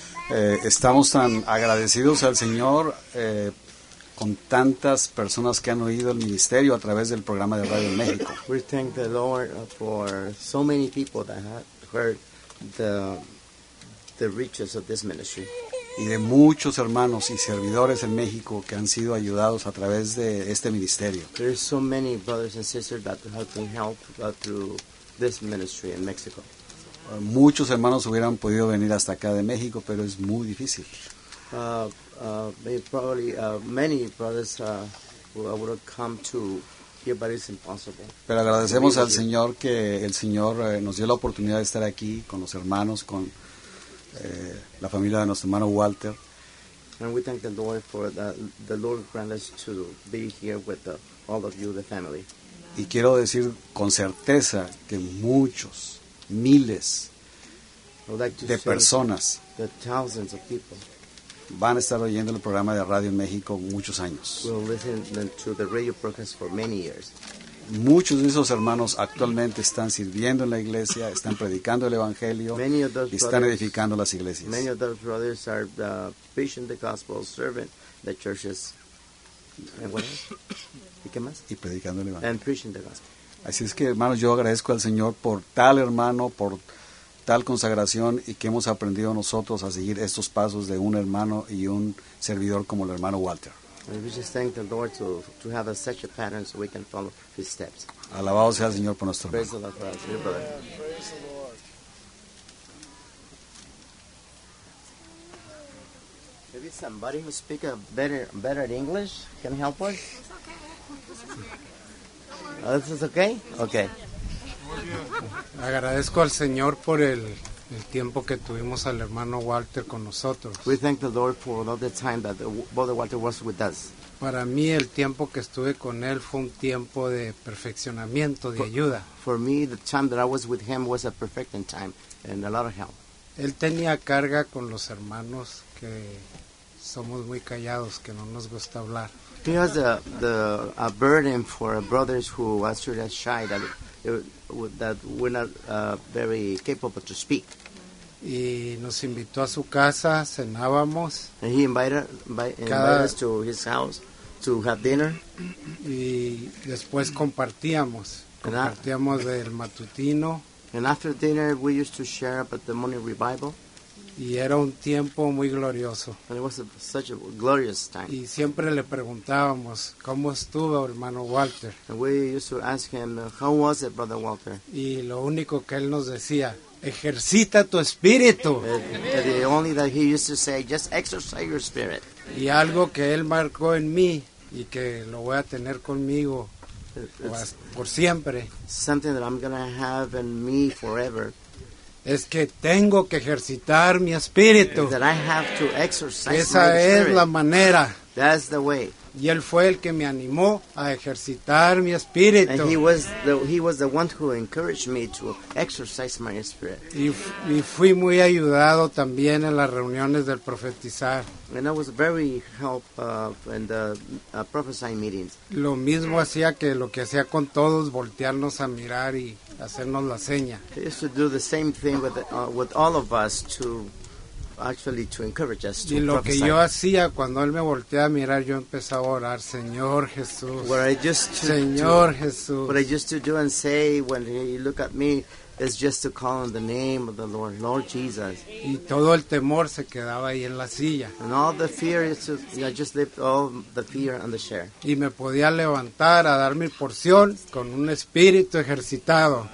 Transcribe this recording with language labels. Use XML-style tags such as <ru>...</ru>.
<es>Estamos tan agradecidos al Señor con tantas personas que han oído el ministerio a través del programa de Radio México.</es> <en>We thank the Lord for so many people that have heard the riches of this ministry.</en> <es>y de muchos hermanos y servidores en México que han sido ayudados a través de este ministerio.</es> <en>There are so many brothers and sisters that have been helped through this ministry in Mexico.</en> <es>Muchos hermanos hubieran podido venir hasta acá de México, pero es muy difícil.</es> <en>Many brothers would have come to here, but it's impossible.</en> <es>Pero agradecemos al Señor que el Señor nos dio la oportunidad de estar aquí con los hermanos, con la familia de nuestro hermano Walter.</es> <en>And we thank the Lord for the Lord grant us to be here with all of you, the family.</en> <es>Y quiero decir con certeza que muchos, miles de personas,</es> <en>the thousands of people,</en> <es>van a estar oyendo el programa de Radio en México muchos años.</es> <en>We'll listen to the radio broadcast for many years.</en> <es>Muchos de esos hermanos actualmente están sirviendo en la iglesia, están predicando el evangelio y están edificando las iglesias.</es> <en>Many of those brothers are preaching the gospel, serving the churches.</en> <es>¿Y qué más? Y predicando el evangelio.</es> <en>And preaching the gospel.</en> <es>Así es que, hermanos, yo agradezco al Señor por tal hermano, por tal consagración, y que hemos aprendido nosotros a seguir estos pasos de un hermano y un servidor como el hermano Walter. Alabado sea el Señor por nuestro hermano.</es> <en>Praise the Lord. Yeah, praise the Lord. Maybe somebody who speaks better English can help us. Oh, this is okay? Okay.</en> <es>Agradezco al Señor por el tiempo que tuvimos al hermano Walter con nosotros.</es> <en>We thank the Lord for all the time that Brother Walter was with us.</en> <es>Para mí el tiempo que estuve con él fue un tiempo de perfeccionamiento, de ayuda.</es> <en>For me the time that I was with him was a perfecting time and a lot of help.</en> <es>Él tenía carga con los hermanos que somos muy callados, que no nos gusta hablar.</es> <en>He has a burden for brothers who are shy, that we're not very capable to speak.</en> <es>Y nos invitó a su casa, cenábamos.</es> <en>And he invited us to his house to have dinner.</en> <es>Y después compartíamos del matutino.</es> <en>And after dinner, we used to share about the morning revival.</en> <es>Y era un tiempo muy glorioso.</es> <en>And it was such a glorious time.</en> <es>Y siempre le preguntábamos, ¿cómo estuvo, hermano Walter?</es> <en>And we used to ask him, how was it, Brother Walter?</en> <es>Y lo único que él nos decía, ejercita tu espíritu.</es> <en>The only that he used to say, just exercise your spirit.</en> <es>Y algo que él marcó en mí y que lo voy a tener conmigo por siempre.</es> <en>Something that I'm going to have in me forever.</en> <es>Es que tengo que ejercitar mi espíritu.</es> <en>That I have to exercise.</en> <es>Esa es la manera.</es> <en>That's the way.</en> <es>Y él fue el que me animó a ejercitar mi espíritu.</es> <en>And he was the one who encouraged me to exercise my spirit.</en> <es>Y fui muy ayudado también en las reuniones del profetizar.</es> <en>And I was very helped in the prophesying meetings.</en> <es>Lo mismo hacía que lo que hacía con todos, voltearnos a mirar y hacernos la seña.</es> <en>He used to do the same thing with all of us to encourage us to prophesy.</en> <es>Y lo que yo hacía cuando él me volteaba a mirar, yo empezaba a orar, Señor Jesús.</es> <en>What I used to do and say when he looked at me is just to call on the name of the Lord, Lord Jesus.</en> <es>Y todo el temor se quedaba ahí en la silla.</es> <en>And all the fear just left all the fear on the chair.</en> <es>Y me podía levantar a dar mi porción con un espíritu ejercitado.</es>